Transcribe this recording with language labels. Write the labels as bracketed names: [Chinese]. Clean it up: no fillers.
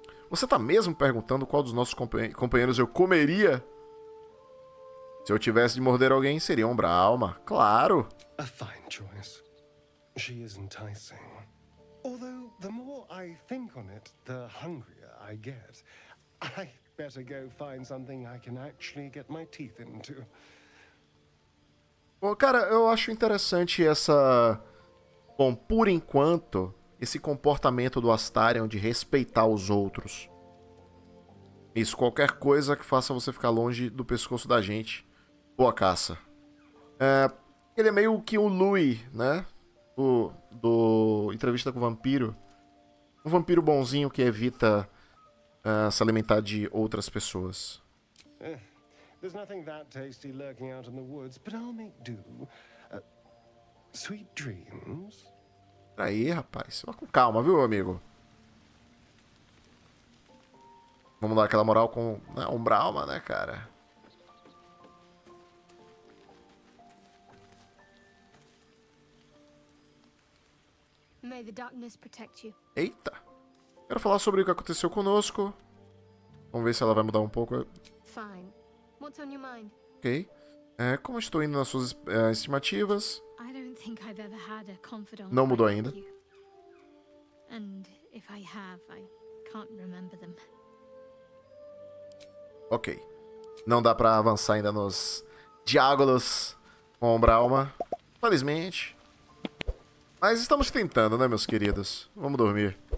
[Portuguese] Você tá mesmo perguntando qual dos nossos companheiros eu comeria? Se eu tivesse de morder alguém, seria Ombra Alma. Claro. [English] A fine choice. She is enticing. Although the more I think on it, the hungrier I get. I better go find something I can actually get my teeth into. [Portuguese] Bom, cara, eu acho interessante essa. Bom, por enquanto, esse comportamento do Astarion de respeitar os outros. Isso, qualquer coisa que faça você ficar longe do pescoço da gente. Boa caça. Ele é meio que o Louis, né? Do Entrevista com o Vampiro. Um vampiro bonzinho que evita se alimentar de outras pessoas. [English] There's nothing that tasty lurking out in the woods, but I'll make do. Sweet dreams. [Portuguese] Aí, rapaz, vá com calma, viu, amigo? Vamos dar aquela moral com Umbralma, né, cara? [English] May the darkness protect you. [Portuguese] Eita. Quero falar sobre o que aconteceu conosco. Vamos ver se ela vai mudar um pouco. [English] Fine. What's on your mind? [Portuguese] Como estou indo nas suas estimativas? [English] I don't think I've ever had a confidant. [Portuguese] Não mudou ainda. [English] And if I have, I can't remember them. Ok. [Portuguese] Não dá pra avançar ainda nos diálogos com o Brauma. Felizmente. Mas estamos tentando, né, meus queridos? Vamos dormir.